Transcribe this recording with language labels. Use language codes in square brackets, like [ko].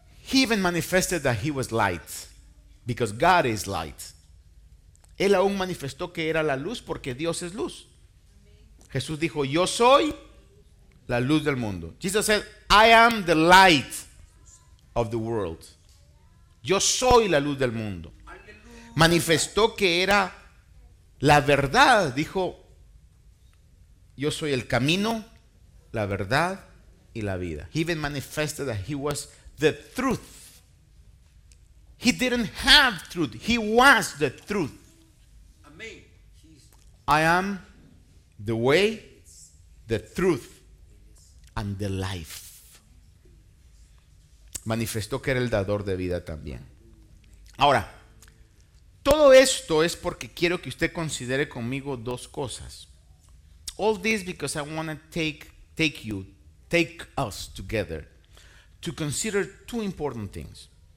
[en] He even manifested that he was light, because God is light. [es] Él aún manifestó que era la luz porque Dios es luz. Jesús dijo, yo soy la luz del mundo. [en] Jesus said, I am the light of the world. [es] Yo soy la luz del mundo. Manifestó que era la verdad. Dijo, yo soy el camino, la verdad y la vida. [en] He even manifested that he was the truth. He didn't have truth. He was the truth. Amen. I am the way, the truth, and the life. [es] Manifestó que era el dador de vida también. Ahora, todo esto es porque quiero que usted considere conmigo dos cosas. [en] All this because I want to take us together to consider two important things.